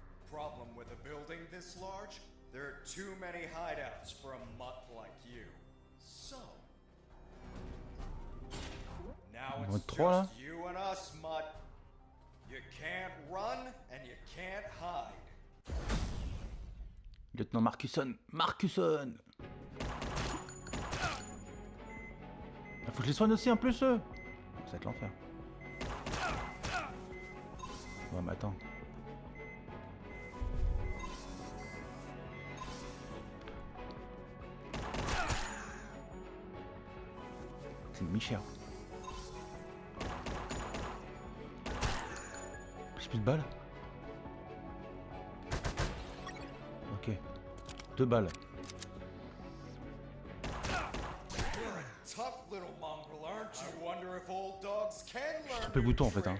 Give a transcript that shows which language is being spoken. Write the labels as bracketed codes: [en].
[en] Problem with a building this large? There are too many hideouts for a mutt like you. So, now it's just you and us, mutt. You can't run and you can't hide. Lieutenant Markison, Markison. [fr] Il faut que je les soigne aussi un plus eux. Ça va être l'enfer. Bon, mais attends. C'est Michel. J'ai plus de balles. Ok. 2 balles. [en] You're a tough little mongrel, aren't you? [fr] taper le bouton en fait, hein.